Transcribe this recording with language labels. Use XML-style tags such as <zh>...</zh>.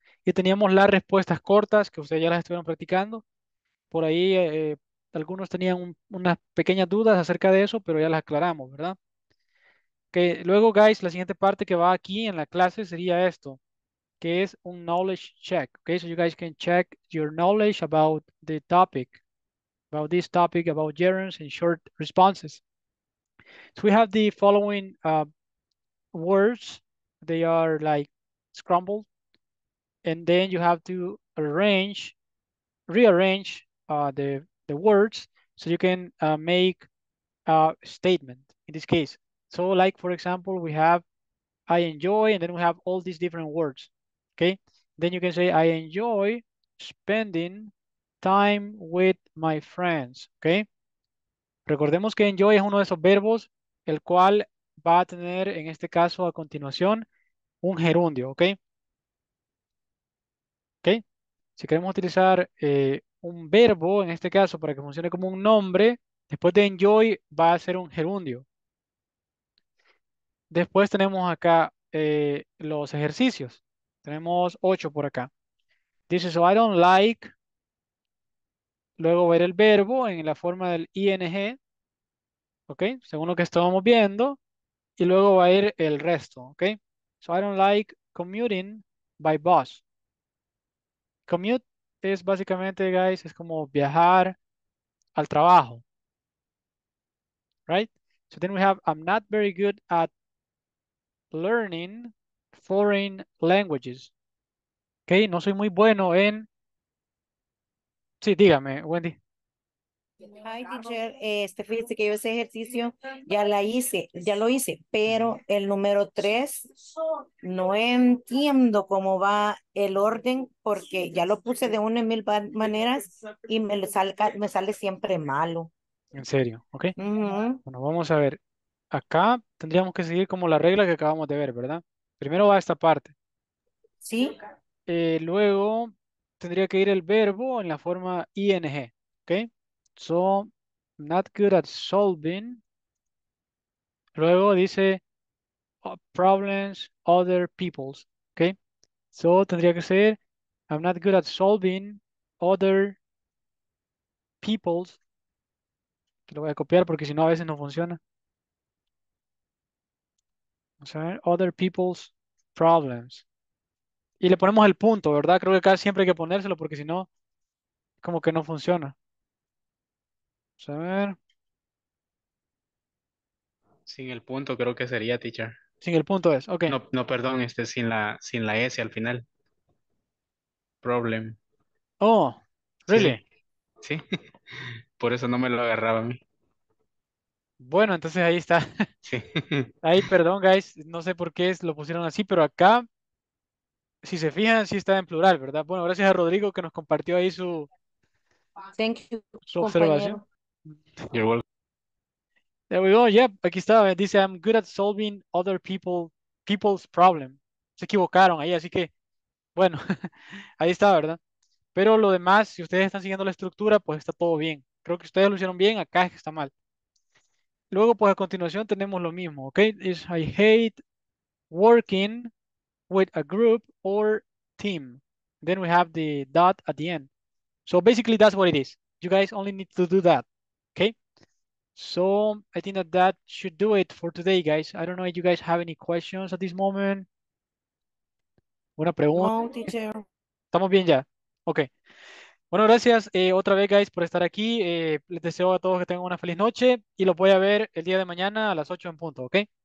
<es>Y teníamos las respuestas cortas que ustedes ya las estuvieron practicando. Por ahí algunos tenían unas pequeñas dudas acerca de eso, pero ya las aclaramos, ¿verdad? Okay. Luego, guys, la siguiente parte que va aquí en la clase sería esto, que es un knowledge check.</es> <en>Okay, so you guys can check your knowledge about the topic, about this topic, about gerunds and short responses. So we have the following words. They are like scrambled. And then you have to arrange, rearrange the words so you can make a statement in this case. So like, for example, we have, I enjoy, and then we have all these different words, okay? Then you can say, I enjoy spending time with my friends, okay?</en> <es>Recordemos que enjoy es uno de esos verbos, el cual va a tener, en este caso, a continuación, un gerundio, okay? Okay? Si queremos utilizar un verbo, en este caso, para que funcione como un nombre, después de enjoy va a ser un gerundio. Después tenemos acá los ejercicios. Tenemos 8 por acá. Dice,</es> <en>so I don't like.</en> <es>Luego ver el verbo en la forma del ing. ¿Ok? Según lo que estábamos viendo. Y luego va a ir el resto. ¿Ok?</es> <en>So I don't like commuting by bus.</en> <es>Commute es básicamente, guys, es como viajar al trabajo.</es> <en>Right? So then we have, I'm not very good at learning foreign languages.</en> <es>Okay, no soy muy bueno en. Sí, dígame, Wendy. Ay, teacher, fíjese que yo ese ejercicio ya lo hice, pero el número 3 no entiendo cómo va el orden porque ya lo puse de una en mil maneras y me sale siempre malo. ¿En serio? Okay. Bueno, vamos a ver. Acá tendríamos que seguir como la regla que acabamos de ver, ¿verdad? Primero va esta parte. Sí. Luego tendría que ir el verbo en la forma ing, ¿ok?</es> <en>So, not good at solving.</en> <es>Luego dice</es> <en>problems other people's, ¿ok? So,</en> <es>tendría que ser,</es> <en>I'm not good at solving other people's.</en> <es>Lo voy a copiar porque si no a veces no funciona. Vamos a ver,</es> <en>other people's problems.</en> <es>Y le ponemos el punto, ¿verdad? Creo que acá siempre hay que ponérselo porque si no, como que no funciona. Vamos a ver. Sin el punto creo que sería, teacher. Sin el punto es, ok. No, perdón, sin la S al final. Problem.</es> <en>Oh, really?</en> <es>Sí. Por eso no me lo agarraba a mí. Bueno, entonces ahí está. Sí. Ahí, perdón, guys. No sé por qué lo pusieron así, pero acá, si se fijan, sí está en plural, ¿verdad? Bueno, gracias a Rodrigo que nos compartió ahí su,</es> <en>thank you,</en> <es>su observación.</es> <en>You're welcome. There we go. Yep,</en> <es>aquí está.</es> <en>Dice, I'm good at solving other people's problem.</en> <es>Se equivocaron ahí, así que, bueno, ahí está, ¿verdad? Pero lo demás, si ustedes están siguiendo la estructura, pues está todo bien. Creo que ustedes lo hicieron bien, acá es que está mal. Luego, pues a continuación tenemos lo mismo, ¿ok?</es> <en>Is I hate working with a group or team. Then we have the dot at the end. So basically that's what it is. You guys only need to do that, okay? So I think that should do it for today, guys. I don't know if you guys have any questions at this moment.</en> <es>Una pregunta. No, teacher. ¿Estamos bien ya? Ok. Bueno, gracias otra vez, guys, por estar aquí. Les deseo a todos que tengan una feliz noche y los voy a ver el día de mañana a las 8 en punto, ¿ok?</es>